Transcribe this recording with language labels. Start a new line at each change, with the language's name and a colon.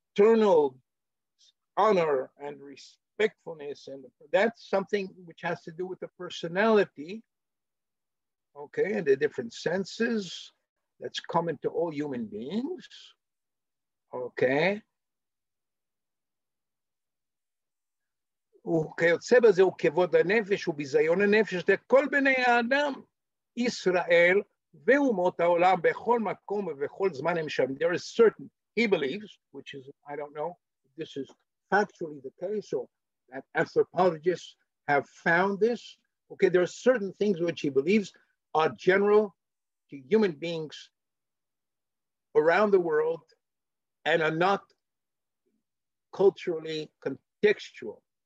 English: eternal honor and respectfulness, and that's something which has to do with the personality, okay, and the different senses that's common to all human beings, okay.
Hebrew: וכיוצא בזה הוא כבוד הנפש וביזיון הנפש לכל בני האדם, ישראל ואומות העולם בכל מקום ובכל זמן הם שם.
English: There is certain, he believes, which is, I don't know if this is factually the case or that anthropologists have found this. Okay, there are certain things which he believes are general to human beings around the world and are not culturally contextual.